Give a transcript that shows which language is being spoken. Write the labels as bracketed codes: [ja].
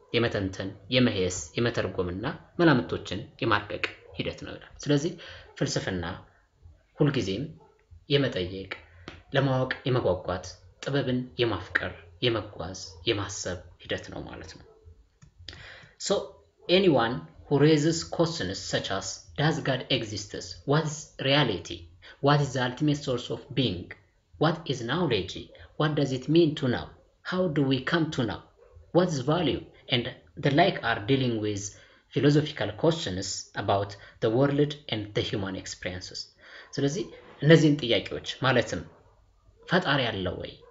[am] የመተንተን የመሄስ የመተርጎምና መላምቶችን የማርቀቅ ሂደት ነው ይላል። ስለዚህ ፍልስፍና ሁልጊዜም የመጠየቅ ለማወቅ የመጓጓት ጥበብን የማፍቀር የመጓዝ የማሰብ ሂደት ነው ማለት ነው። [en] So anyone who raises questions such as does God exist? What is reality? What is the ultimate source of being? What is knowledge? What does it mean to know? How do we come to know? What is value? And the like are dealing with philosophical questions about the world and the human experiences. [am] ስለዚህ እነዚህን ጥያቄዎች ማለትም ፈጣሪ አለ ወይ?